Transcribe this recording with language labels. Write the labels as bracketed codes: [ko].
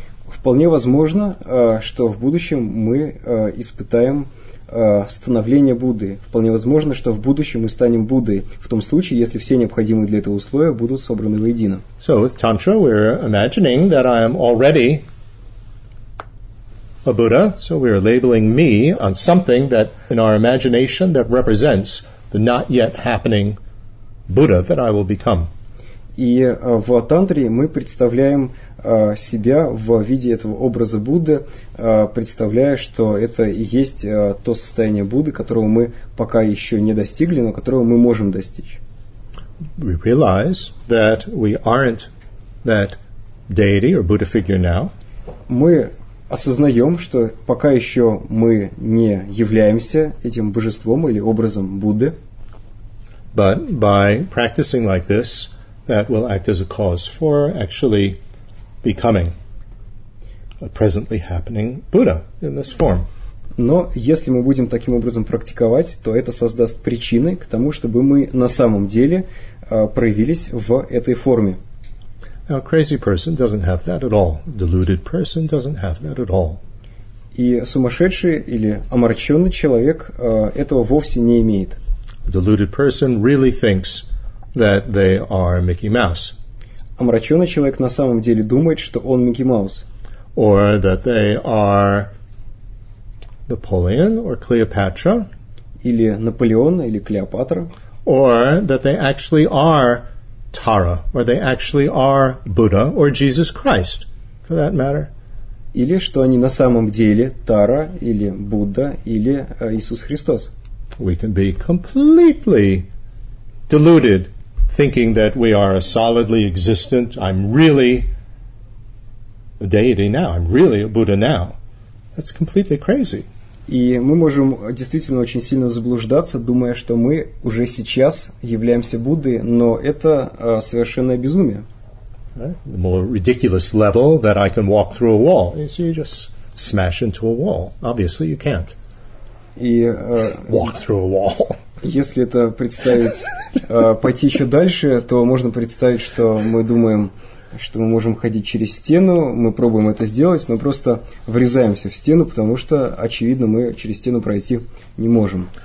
[ru] Вполне возможно, что в будущем мы испытаем становление Будды. Вполне возможно, что в будущем мы станем Буддой в том случае, если все необходимые для этого условия будут собраны воедино. [en] So with Tantra we're imagining that I am already a Buddha, so we're labeling me on something that in our imagination that represents the not yet happening Buddha that I will become. [ru] И в тантре мы представляем себя в виде этого образа Будды, представляя, что это и есть то состояние Будды, которого мы пока еще не достигли, но которого мы можем достичь. [en] We realize that we aren't that deity or Buddha figure now. [ru] Мы осознаем, что пока еще мы не являемся этим божеством или образом Будды. [en] But by practicing like this, that will act as a cause for actually becoming a presently happening Buddha in this form. [ru] Но если мы будем таким образом практиковать, то это создаст причины к тому, чтобы мы на самом деле проявились в этой форме. [en] Now, a crazy person doesn't have that at all. A deluded person doesn't have that at all. [ru] И сумасшедший или омраченный человек этого вовсе не имеет. [en] A deluded person really thinks that they are Mickey Mouse. [ru] Омраченный человек на самом деле думает, что он Микки Маус. [en] Or that they are Napoleon or Cleopatra. [ru] Или Наполеон или Клеопатра. [en] Or that they actually are Tara, or they actually are Buddha or Jesus Christ, for that matter. [ru] Или что они на самом деле Тара или Будда или Иисус Христос. [en] We can be completely deluded, thinking that we are a solidly existent, I'm really a deity now, I'm really a Buddha now. That's completely crazy. [ru] И мы можем действительно очень сильно заблуждаться, думая, что мы уже сейчас являемся Буддой, но это совершенное безумие. [en] Right? The more ridiculous level that I can walk through a wall. You see, you just smash into a wall. Obviously, you can't. Walk through a wall. [ru] Если это представить, пойти еще дальше, то можно представить, что мы думаем, что мы можем ходить через стену, мы пробуем это сделать, но просто врезаемся в стену, потому что, очевидно, мы через стену пройти не можем.